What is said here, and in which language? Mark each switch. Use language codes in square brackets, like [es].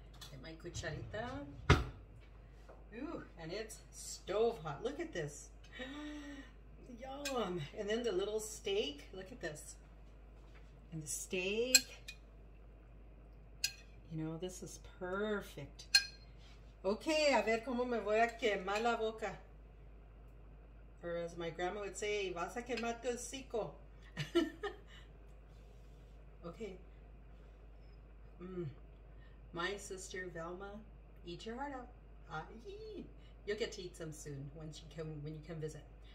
[en] Get my cucharita. Ooh, and it's stove hot. Look at this. Yum. And then the little steak. Look at this. And the steak. You know, this is perfect. [es] Okay, a ver cómo me voy a quemar la boca. [en] Or as my grandma would say, [es] vas a quemar tu hocico. [en] Okay. Mm. My sister, Velma, eat your heart out. You'll get to eat some soon once you come, when you come visit.